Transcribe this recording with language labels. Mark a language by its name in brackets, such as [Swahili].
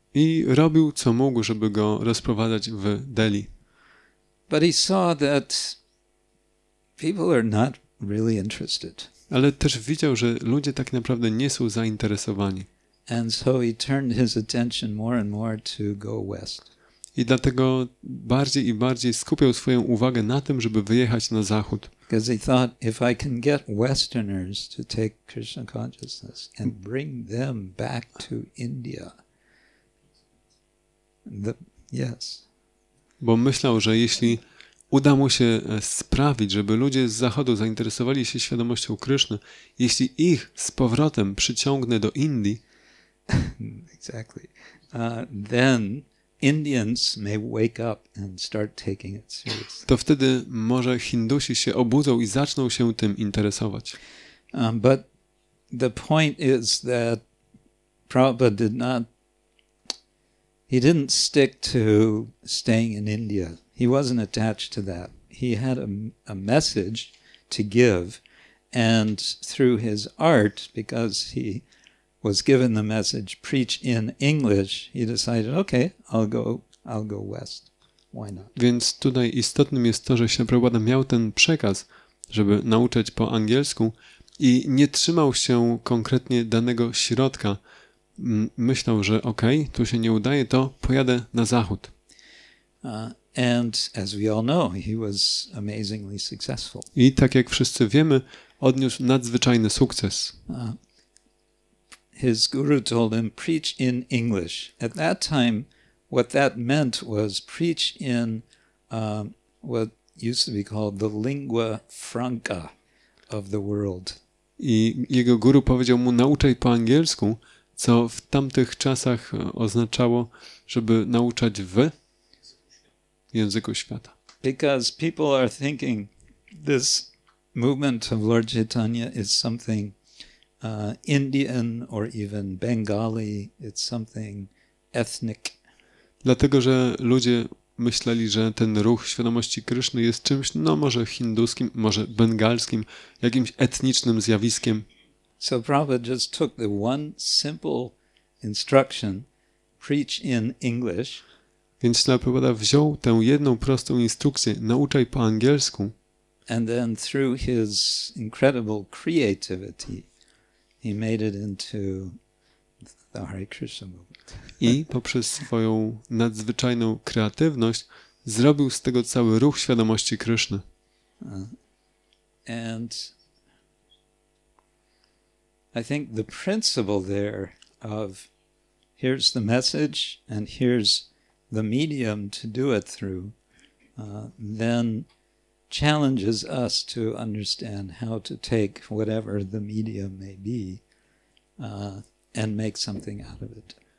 [Polish] I robił co mógł, żeby go rozprowadzać w Delhi. [English] But he saw that people are not really interested. [Polish] Ale też widział, że ludzie tak naprawdę nie są zainteresowani. [English] And so he turned his attention more and more to go west. [Polish] I dlatego bardziej i bardziej skupiał swoją uwagę na tym, żeby wyjechać na zachód. [English] Because he thought, if I can get Westerners to take Krishna consciousness and bring them back to India, yes. [Polish] Bo myślał, że jeśli uda mu się sprawić, żeby ludzie z zachodu zainteresowali się świadomością Kryszny, jeśli ich z powrotem przyciągnę do Indii, [English] exactly, then Indians may wake up and start taking it seriously. [Polish] To wtedy może Hindusi się obudzą i zaczną się tym interesować. [English] But the point is that Prabhupada didn't stick to staying in India. He wasn't attached to that. He had a message to give, and through his art, because he was given the message preach in English, he decided, okay, I'll go west. Why not? [Polish] Więc tutaj istotnym jest to, że Śla Prabhupada miał ten przekaz, żeby nauczyć po angielsku i nie trzymał się konkretnie danego środka. Myślał, że okej, tu się nie udaje, to pojadę na zachód. [English] And as we all know, he was amazingly successful. [Polish] I tak jak wszyscy wiemy, odniósł nadzwyczajny sukces. [English] His guru told him, preach in English. At that time, what that meant was preach in what used to be called the lingua franca of the world. [Polish] I jego guru powiedział mu, nauczaj po angielsku, co w tamtych czasach oznaczało, żeby nauczać w języku świata. [English] Because people are thinking this movement of Lord Chaitanya is something Indian or even Bengali, it's something ethnic. [Polish] Dlatego, że ludzie myśleli, że ten ruch świadomości Kryszny jest czymś, no może hinduskim, może bengalskim, jakimś etnicznym zjawiskiem. [English] So Prabhupada just took the one simple instruction, preach in English. [Polish] Więc Prabhupada wziął tę jedną prostą instrukcję, nauczaj po angielsku. [English] And then through his incredible creativity, he made it into the Hare Krishna movement. [Polish] I poprzez swoją nadzwyczajną kreatywność zrobił z tego cały ruch świadomości Kryszny. [English] And I think the principle there of here's the message and here's the medium to do it through, then challenges us to understand how to take whatever the medium may be and make something out of it.